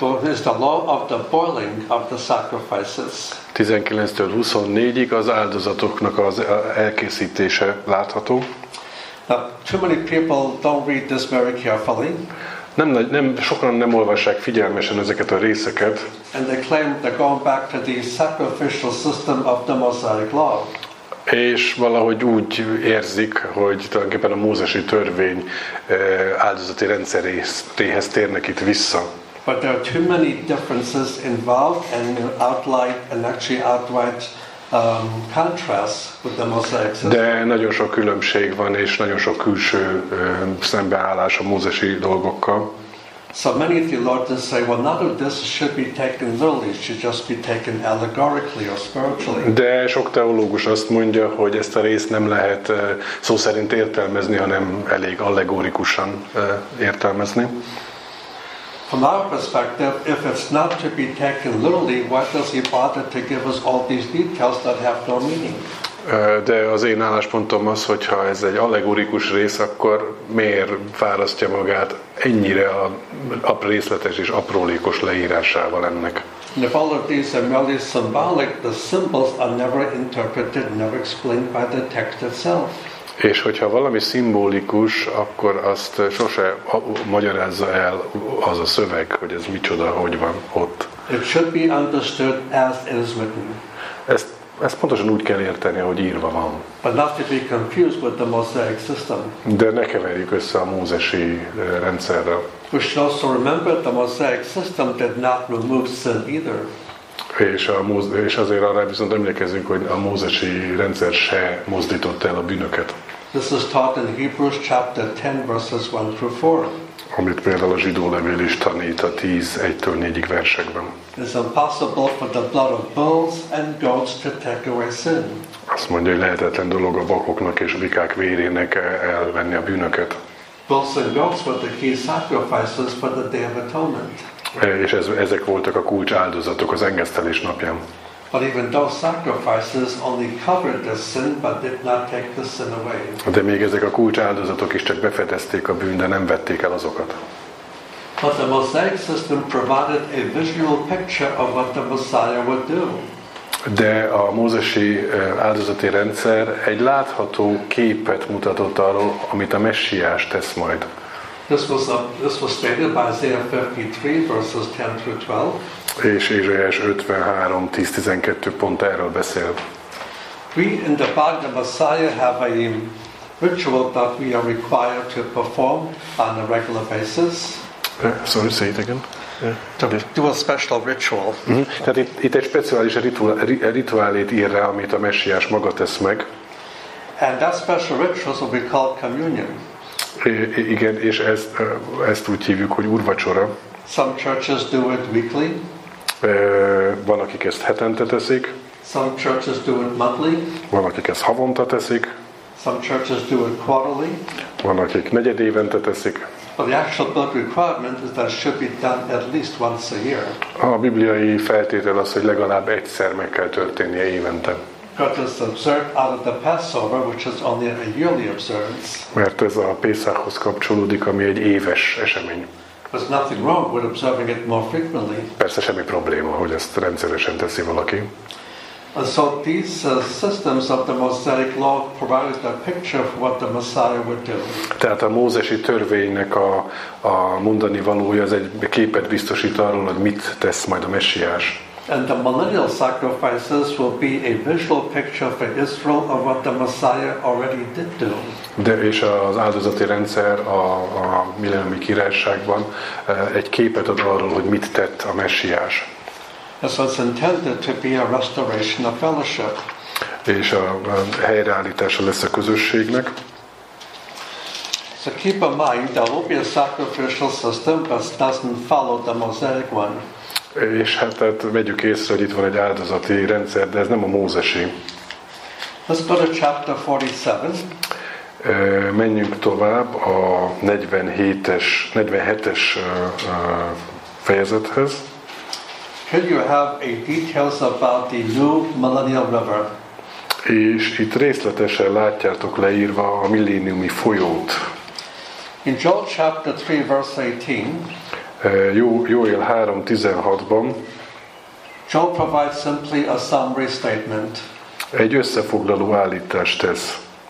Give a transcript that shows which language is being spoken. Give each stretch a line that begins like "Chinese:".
English: Is the law of the boiling of the sacrifices.
Hungarian: 19-től 24-ig az áldozatoknak az elkészítése látható.
English: Now, too many people don't read this very carefully.
Hungarian: Nem sokan nem olvassák figyelmesen ezeket a részeket.
English: And they claim they're going back to the sacrificial system of the Mosaic law.
Hungarian: És valahogy úgy érzik, hogy tulajdonképpen a mózesi törvény áldozati rendszeréhez térnek itt vissza.
English: But there are too many differences involved and outright contrast with the Mosaic system.
Hungarian: De nagyon sok különbség van és nagyon sok külső szembeállás a mózesi dolgokkal.
English: So many theologians say, well, none of this should be taken literally, it should just be taken allegorically or spiritually.
Hungarian: De sok teológus azt mondja, hogy ezt a részt nem lehet szó szerint értelmezni, hanem elég allegorikusan értelmezni.
English: From our perspective, if it's not to be taken literally, why does he bother to give us all these details that have no meaning?
Hungarian: De az én álláspontom az, hogyha ez egy allegorikus rész, akkor miért fárasztja magát ennyire a részletes és aprólékos leírásával ennek?
English: If all of these are merely symbolic, the symbols are never interpreted, never explained by the text itself.
Hungarian: És hogyha valami szimbolikus, akkor azt sose magyarázza el az a szöveg, hogy ez micsoda, hogy van ott.
English: It should be understood as it is written.
Hungarian: Ezt pontosan úgy kell érteni, ahogy írva van.
English: But not to be confused with the Mosaic system.
Hungarian: De ne keverjük össze a mózesi rendszerrel.
English: We should also remember the Mosaic system did not remove sin either.
Hungarian: És azért arra viszont emlékezünk, hogy a mózesi rendszer se mozdította el a bűnöket.
English: This is taught in Hebrews chapter 10 verses 1 through 4.
Hungarian: Amit például a zsidó levél is tanít a 10-1-től 4-ig versekben.
English: It's impossible for the blood of bulls and goats to take away sin.
Hungarian: Azt mondja, hogy lehetetlen dolog a vakoknak és a vikák vérének elvenni a bűnöket.
English: Bulls and goats were the key sacrifices for the Day of Atonement.
Hungarian: És ezek voltak a kulcs áldozatok az engesztelés napján.
English: But even those sacrifices only covered the sin, but did not take the sin away.
Hungarian: De még ezek a kulcs áldozatok is csak befedezték a bűn, de nem vették el azokat.
English: But the Mosaic system provided a visual picture of what the Messiah would do.
Hungarian: De a mózesi áldozati rendszer egy látható képet mutatott arról, amit a Messiás tesz majd.
English: This was stated by Isaiah 53 verses 10 through 12.
Hungarian: És Ézsaiás 53, 10-12 pont erről beszél.
English: We in the body of Messiah have a ritual that we are required to perform on a regular basis. Sorry, say it again. Do a special ritual. Mm-hmm.
Hungarian: Tehát itt egy speciális rituálét ír rá, amit a Messiás maga tesz meg.
English: And that special ritual will be called communion.
Hungarian: Igen, és ezt úgy hívjuk, hogy úrvacsora.
English: Some churches do it weekly.
Hungarian: Van, akik ezt hetente teszik.
English: Some churches do it monthly.
Hungarian: Van, akik ezt havonta teszik.
English: Some churches do it quarterly.
Hungarian: Van, akik negyedévente teszik.
English: But the actual book requirement is that it should be done at least once a year.
Hungarian: A bibliai feltétel az, hogy legalább egyszer meg kell történnie évente.
English: Because it's observed out of the Passover, which is only a yearly observance.
Hungarian: Mert ez a Pészákhoz kapcsolódik, ami egy éves esemény.
English: There's nothing wrong with observing it more frequently.
Hungarian: Persze semmi probléma, hogy ezt rendszeresen teszi valaki.
English: And so these systems of the Mosaic law provided a picture of what the Messiah would do.
Hungarian: Tehát a mózesi törvénynek a mondani valója az egy képet biztosít arról, hogy mit tesz majd a Messiás.
English: And the millennial sacrifices will be a visual picture for Israel of what the Messiah already did do.
Hungarian: De és az áldozati rendszer a milleniumi királyságban egy képet ad arról, hogy mit tett a Messiás.
English: And so it's intended to be a restoration of fellowship.
Hungarian: És a helyreállítása lesz a közösségnek.
English: So keep in mind there will be a sacrificial system that doesn't follow the Mosaic one.
Hungarian: És hát vegyük észre, hogy itt van egy áldozati rendszer, de ez nem a mózesi.
English: Let's go to chapter 47.
Hungarian: Menjünk tovább a 47-es fejezethez.
English: Here you have a details about the new millennial river.
Hungarian: És itt részletesen látjátok leírva a milléniumi folyót.
English: In Joel chapter 3 verse 18.
Hungarian: Jóél 3:16-ban.
English: Joel provides simply a summary statement.
Hungarian: Egy összefoglaló állítást tesz.